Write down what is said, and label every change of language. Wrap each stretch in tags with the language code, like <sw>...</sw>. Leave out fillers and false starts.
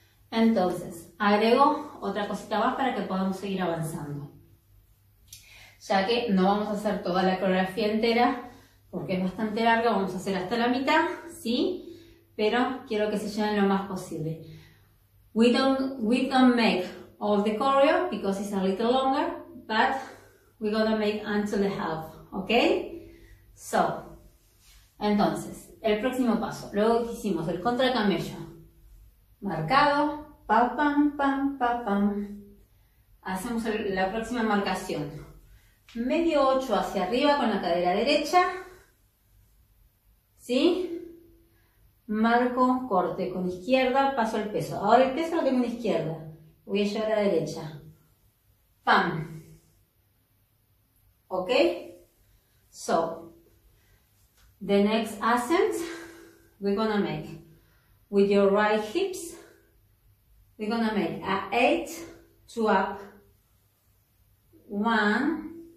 <es>Entonces, agrego otra cosita más para que podamos seguir avanzando. Ya que no vamos a hacer toda la coreografía entera, porque es bastante larga, vamos a hacer hasta la mitad, ¿sí? Pero quiero que se llenen lo más posible.</es> <en>We don't make all the choreo, because it's a little longer, but we're gonna make until the half, ¿ok?</en> <es>So, entonces, el próximo paso. Luego que hicimos el contra camello. Marcado. Pa, pam, pam, pa, pam. Hacemos la próxima marcación. Medio 8 hacia arriba con la cadera derecha, ¿sí? Marco, corte con izquierda, paso el peso. Ahora el peso lo tengo en izquierda, voy a llevar a la derecha. ¡Pam! ¿Ok?</es> <en>So, the next ascent we're gonna make with your right hips, we're gonna make a 8 to up. 1.</en>